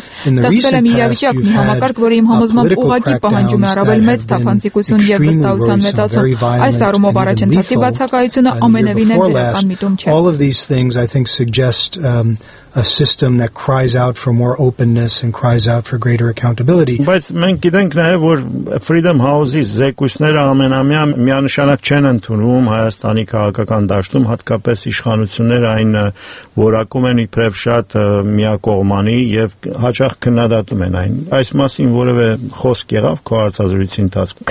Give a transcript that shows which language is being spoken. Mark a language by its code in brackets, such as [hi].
[hy] Իրավիճակ մի համակարգ, որը իմ համոզմամբ ուղղակի պահանջում է առավել մեծ թափանցիկություն և վստահության մեծացում։ Այս առումով առաջընթացի բացակայությունը ամենևին է դրական միտում չէ։ [en] All of these things, I think, suggest a system that cries out for more openness and cries out for greater accountability. [hy] Բայց մենք գիտենք նաև, որ Freedom House-ի զեկույցները ամենամյա միանշանակ չեն ընդունվում Հայաստանի քաղաքական դաշտում, հատկապես իշխանությունները այն որակում են իբրև շատ միակողմանի և հաճախ քննադատում են այն։ Այս մասին որևէ խոսք եղավ քո հարցազրույցի ընթացքում։